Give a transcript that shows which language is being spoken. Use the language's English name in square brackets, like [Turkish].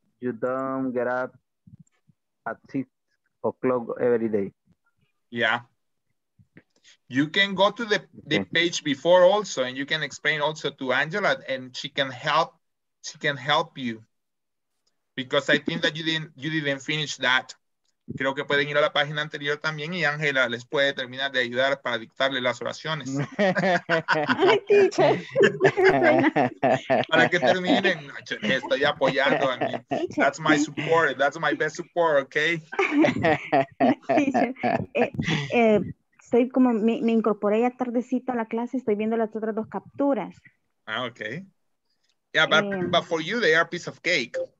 [English] You don't get up at 6 o'clock every day. Yeah. You can go to the page before also, and you can explain also to Angela, and she can help. She can help you because I think that you didn't finish that. [Spanish] creo que pueden ir a la página anterior también y Ángela les puede terminar de ayudar para dictarle las oraciones. Ay, teacher. Para que terminen. Estoy apoyando a mí. [English] That's my support. That's my best support, okay? [Spanish] Estoy como, me incorporé ya tardecito a la clase, estoy viendo las otras dos capturas. [English] Ah, okay. Yeah, but for you, they are a piece of cake.